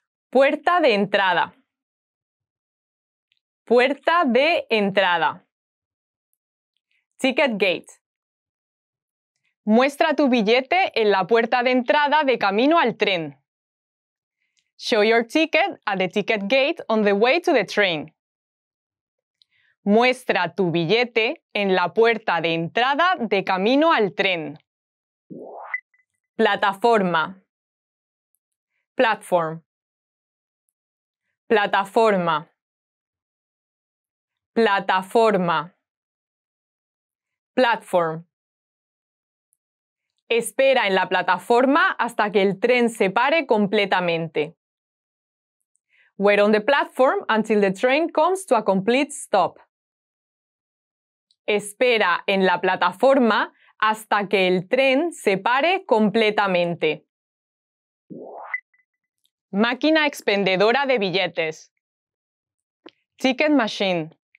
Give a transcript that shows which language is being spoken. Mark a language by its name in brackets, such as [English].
[Spanish] Puerta de entrada. Puerta de entrada. [English] Ticket gate. [Spanish] Muestra tu billete en la puerta de entrada de camino al tren. [English] Show your ticket at the ticket gate on the way to the train. [Spanish] Muestra tu billete en la puerta de entrada de camino al tren. Plataforma. [English] Platform. [Spanish] Plataforma. Plataforma. [English] Platform. [Spanish] Espera en la plataforma hasta que el tren se pare completamente. [English] Wait on the platform until the train comes to a complete stop. [Spanish] Espera en la plataforma hasta que el tren se pare completamente. Máquina expendedora de billetes. [English] Ticket machine.